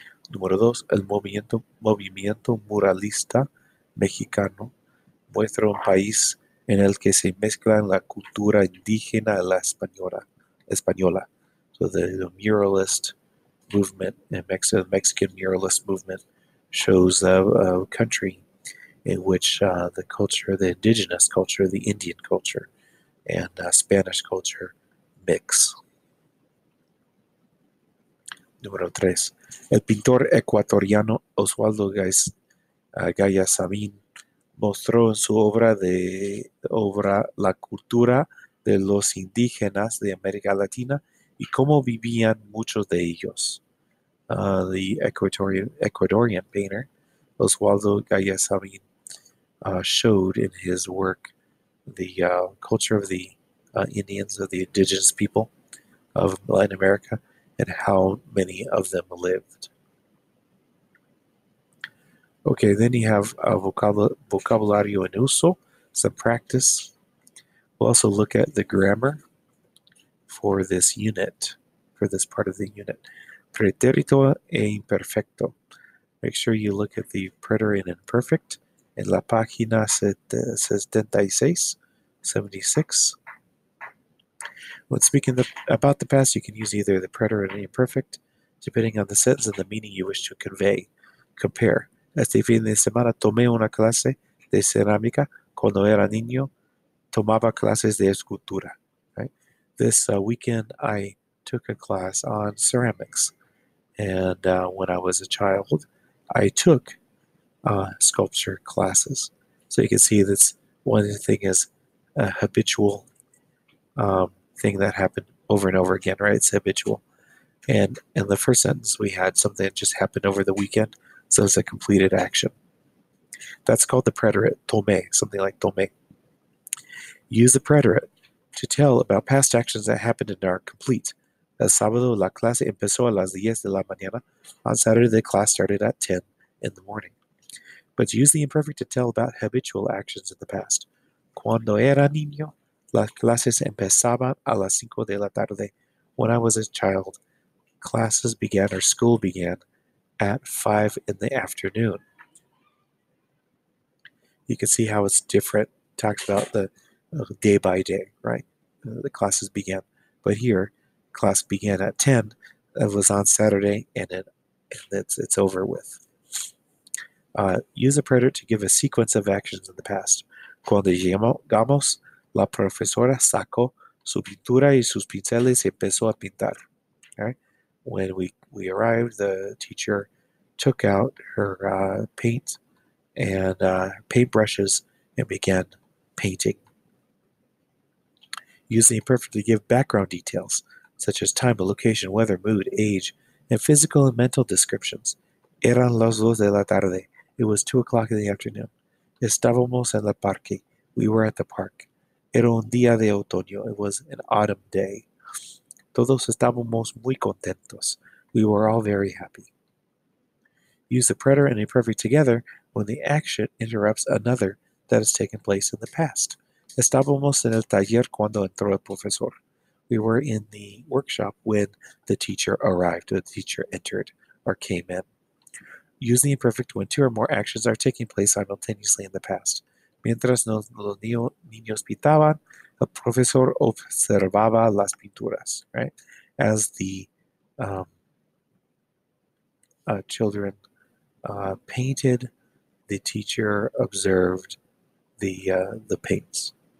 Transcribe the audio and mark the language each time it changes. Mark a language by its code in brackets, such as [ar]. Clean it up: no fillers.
[es] Número dos, el movimiento muralista mexicano muestra un país en el que se mezclan la cultura indígena y la española. [en] So the muralist movement, the Mexican muralist movement, shows a country in which the culture, the indigenous culture, the Indian culture, and Spanish culture mix. [es] Número tres. El pintor ecuatoriano Oswaldo Gallasamín mostró en su obra la cultura de los indígenas de América Latina y cómo vivían muchos de ellos. [en] The Ecuadorian painter Oswaldo Gallasamín showed in his work the culture of the Indians, of the indigenous people of Latin America, and how many of them lived. Okay, then you have a vocabulario en uso, some practice. We'll also look at the grammar for this unit, for this part of the unit. [es] Pretérito e imperfecto. [en] Make sure you look at the preter and imperfect in la página 76. When speaking about the past, you can use either the preter or the imperfect, depending on the sentence and the meaning you wish to convey. Compare. [es] Este fin de semana tomé una clase de cerámica. Cuando era niño, tomaba clases de escultura. Right? [en] This weekend, I took a class on ceramics. And when I was a child, I took sculpture classes. So you can see this one thing is a habitual thing that happened over and over again, right? It's habitual. And in the first sentence, we had something that just happened over the weekend. So it's a completed action. That's called the preterite, tomé, something like tomé. Use the preterite to tell about past actions that happened and are complete. [es] El sábado, la clase empezó a las 10 de la mañana. [en] On Saturday, the class started at 10 in the morning. But use the imperfect to tell about habitual actions in the past. [es] Cuando era niño, las clases empezaban a las 5 de la tarde. [en] When I was a child, classes began or school began at 5 in the afternoon. you can see how it's different, talked about the day by day, right? The classes began. But here, class began at 10. It was on Saturday, and it's over with. Use a predicate to give a sequence of actions in the past. [es] Cuando llegamos, la profesora sacó su pintura y sus pinceles y empezó a pintar. [en] Okay? When we arrived, the teacher took out her paint and paintbrushes and began painting. Use the imperfect to give background details, such as time, location, weather, mood, age, and physical and mental descriptions. [es] Eran las dos de la tarde. [en] It was 2 o'clock in the afternoon. [es] Estábamos en el parque. [en] We were at the park. [es] Era un día de otoño. [en] It was an autumn day. [es] Todos estábamos muy contentos. [en] We were all very happy. Use the preterite and imperfect together when the action interrupts another that has taken place in the past. [es] Estábamos en el taller cuando entró el profesor. [en] We were in the workshop when the teacher arrived, when the teacher entered or came in. Use the imperfect when two or more actions are taking place simultaneously in the past. [es] Mientras los niños pintaban, el profesor observaba las pinturas, right? [en] As the children painted, the teacher observed the paints.